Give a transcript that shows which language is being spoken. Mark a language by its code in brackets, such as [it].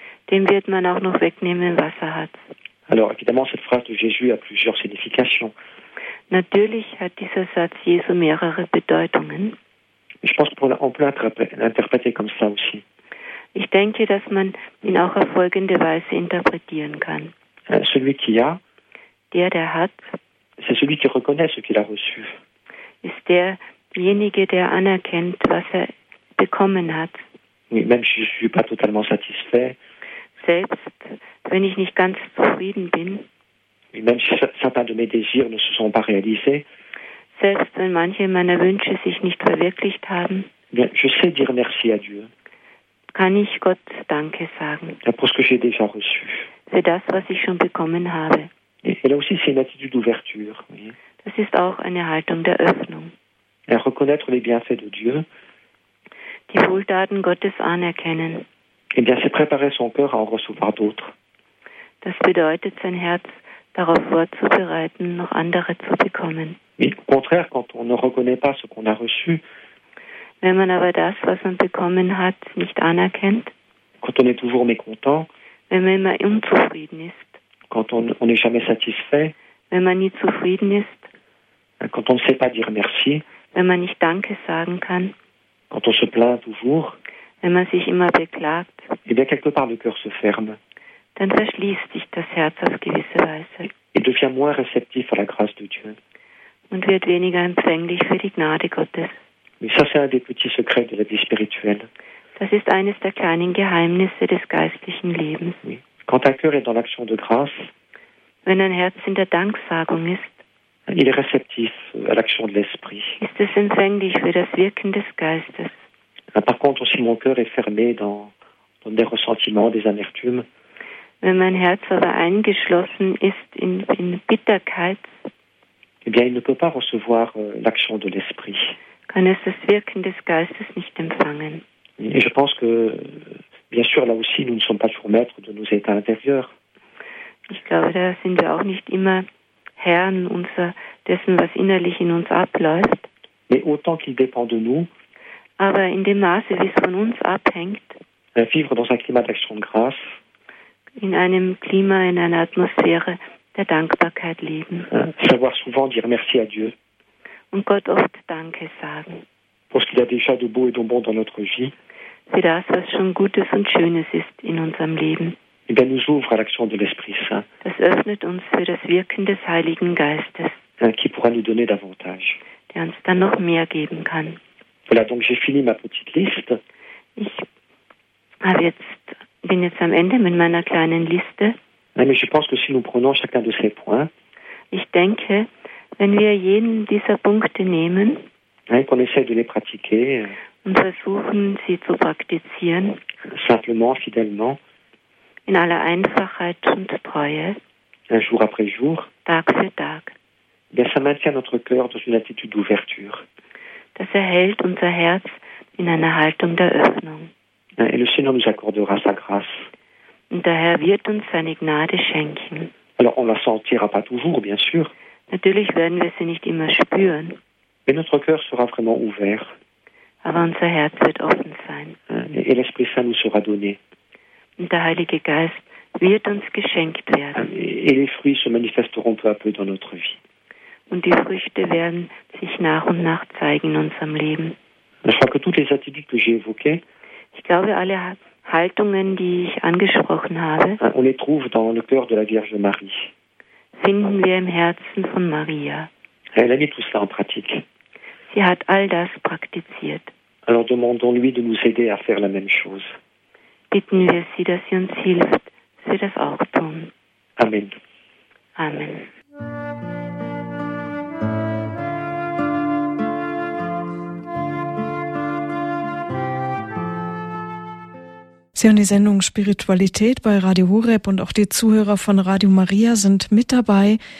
[de] Dem wird man auch noch wegnehmen, was er hat. [fr] Alors, évidemment, cette phrase de Jésus a plusieurs significations. [de] Natürlich hat dieser Satz Jesu mehrere Bedeutungen. [fr] Je pense qu'on peut l'interpréter comme ça aussi. [de] Ich denke, dass man ihn auch auf folgende Weise interpretieren kann. [fr] Celui qui a, [de] der hat, [fr] c'est celui qui reconnaît ce qu'il a reçu. [de] Ist derjenige, der anerkennt, was er bekommen hat. [fr] Oui, même si je ne suis pas totalement satisfait. [de] Selbst wenn ich nicht ganz zufrieden bin. [fr] Même si certains de mes désirs ne se sont pas réalisés. [de] Selbst wenn manche meiner Wünsche sich nicht verwirklicht haben. [fr] Bien, je sais dire merci à Dieu. [de] Kann ich Gott Danke sagen. [fr] Pour ce que j'ai déjà reçu. [de] Für das, was ich schon bekommen habe. [fr] Et là aussi, c'est une attitude d'ouverture. [de] Das ist auch eine Haltung der Öffnung. [fr] Et reconnaître les bienfaits de Dieu. [de] Die Wohltaten Gottes anerkennen. [fr] Et bien, c'est préparer son cœur à en recevoir d'autres. [de] Das bedeutet, sein Herz darauf vorzubereiten, noch andere zu bekommen. [fr] Mais au contraire, quand on ne reconnaît pas ce qu'on a reçu, [de] wenn man aber das, was man bekommen hat, nicht anerkennt, [fr] quand on est toujours mécontent, [de] wenn man immer unzufrieden ist, [fr] quand on n'est jamais satisfait, [de] wenn man nie zufrieden ist, [fr] quand on ne sait pas dire merci, [de] wenn man nicht Danke sagen kann, [fr] quand on se plaint toujours, [de] wenn man sich immer beklagt, [fr] et bien quelque part le cœur se ferme, [de] dann verschließt sich das Herz auf gewisse Weise. [fr] Et devient moins réceptif à la grâce de Dieu. [de] Und wird weniger empfänglich für die Gnade Gottes. [fr] Mais ça, c'est un des petits secrets de la vie spirituelle. [de] Das ist eines der kleinen Geheimnisse des geistlichen Lebens. [fr] Oui. Quand un cœur est dans l'action de grâce, [de] wenn ein Herz in der Danksagung ist, [fr] il est réceptif à l'action de l'Esprit. [de] Ist es empfänglich für das Wirken des Geistes. [fr] Par contre, si mon cœur est fermé dans des ressentiments, des amertumes, [de] wenn mein Herz aber eingeschlossen ist in Bitterkeit, [fr] eh bien, il ne peut pas recevoir l'action de l'Esprit. [de] Kann es das Wirken des Geistes nicht empfangen. [fr] Et je pense que, bien sûr, là aussi, nous ne sommes pas toujours maîtres de nos états intérieurs. [de] Ich glaube, da sind wir auch nicht immer Herren dessen, was innerlich in uns abläuft. [fr] Mais autant qu'il dépend de nous, [de] aber in dem Maße, wie es von uns abhängt, [fr] vivre dans un climat d'action de grâce, [de] in einem Klima, in einer Atmosphäre der Dankbarkeit leben. [fr] Savoir souvent dire merci à Dieu. [de] Und Gott oft Danke sagen. [fr] Pour ce qu'il y a déjà de beau et de bon dans notre vie. [de] Für das, was schon Gutes und Schönes ist in unserem Leben. [fr] Et bien nous ouvre à l'action de l'Esprit Saint. [de] Das öffnet uns für das Wirken des Heiligen Geistes. [fr] Qui pourra nous donner davantage. [de] Der uns dann noch mehr geben kann. [fr] Voilà, donc j'ai fini ma petite liste. [de] Ich habe jetzt bin jetzt am Ende mit meiner kleinen Liste. [fr] Mais je pense que si nous prenons chacun de ces points, [de] ich denke, Wenn wir jeden dieser Punkte nehmen [fr] qu'on essaie de les pratiquer, [de] und versuchen, sie zu praktizieren, [fr] simplement, fidèlement, [de] in aller Einfachheit und Treue, [fr] un jour après jour, [de] Tag für Tag, [fr] bien, ça maintient notre cœur dans une attitude d'ouverture. [de] Das erhält unser Herz in einer Haltung der Öffnung. [fr] Et le Seigneur nous accordera sa grâce. [de] Und der Herr wird uns seine Gnade schenken. [fr] Alors, on la sentira pas toujours, bien sûr. [de] Natürlich werden wir sie nicht immer spüren. [fr] Mais notre cœur sera vraiment ouvert. [de] Aber unser Herz wird offen sein. [fr] Et l'Esprit Saint nous sera donné. [de] Und der Heilige Geist wird uns geschenkt werden. [fr] Et les fruits se manifesteront peu à peu dans notre vie. [de] Und die Früchte werden sich nach und nach zeigen in unserem Leben. [fr] Je crois que toutes les attitudes que j'ai évoquées, [de] ich glaube, alle Haltungen, die ich angesprochen habe, [fr] on les trouve dans le cœur de la Vierge Marie. [de] Finden wir im Herzen von Maria. [fr] Elle a mis tout cela en pratique. [de] Sie hat all das praktiziert. [fr] Alors demandons-lui de nous aider à faire la même chose. [de] Bitten wir sie, dass sie uns hilft, sie das auch tun. Amen. Amen. Sie hören die Sendung Spiritualität bei Radio Horeb und auch die Zuhörer von Radio Maria sind mit dabei.